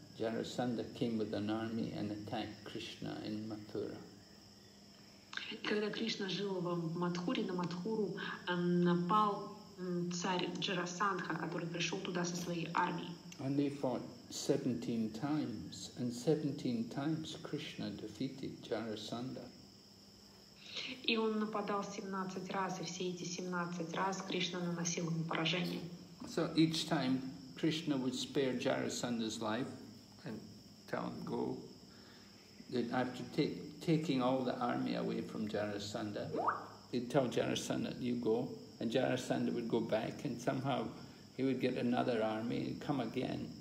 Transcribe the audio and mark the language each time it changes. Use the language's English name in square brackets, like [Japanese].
[English] Jarasandha came with an army and attacked Krishna in Mathura. [Russian] Когда Кришна жил в Мадхуре, на Мадхуру напал царь Джарасандха, который пришел туда со своей армией. [English] And they fought 17 times, and 17 times Krishna defeated Jarasandha. [Russian] И он нападал 17 раз, и все эти 17 раз Кришна наносил ему поражение. [English] So each time Krishna would spare Jarasandha's life. Tell him go. Then after taking all the army away from Jarasandha, he'd tell Jarasandha you go, and Jarasandha would go back, and somehow he would get another army and come again.